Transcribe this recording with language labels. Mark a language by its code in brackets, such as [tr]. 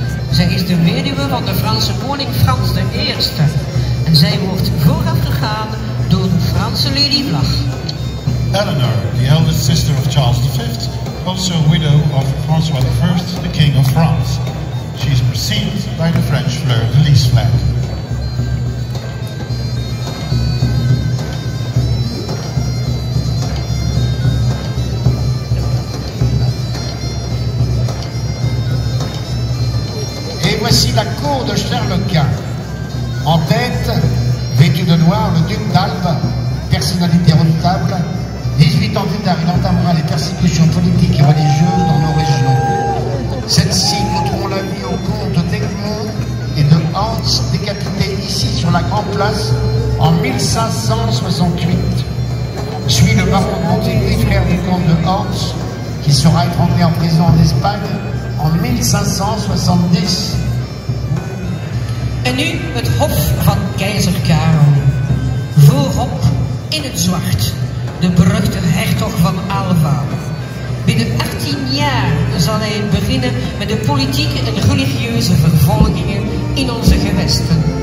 [nl] Zij is de weduwe van de Franse koning Frans de Eerste. En zij wordt voorafgegaan door de Franse Lady Vlag. [en] Eleanor, the eldest sister of Charles V, also widow of François I, the King of France. She is preceded by the French fleur de lys flag. [fr] Voici la cour de Charles Quint. En tête, vêtu de noir, le duc d'Alba, personnalité redoutable. 18 ans plus tard, il entamera les persécutions politiques et religieuses dans nos régions. Celles-ci coûteront la vie au comte d'Egmont et de Hans, décapité ici sur la Grande Place en 1568. Suit le baron Montigny, frère du comte de Hans, qui sera étranglé en prison en Espagne en 1570. [nl] En nu het hof van keizer Karel. Voorop in het zwart, de beruchte hertog van Alva. Binnen 18 jaar zal hij beginnen met de politieke en religieuze vervolgingen in onze gewesten.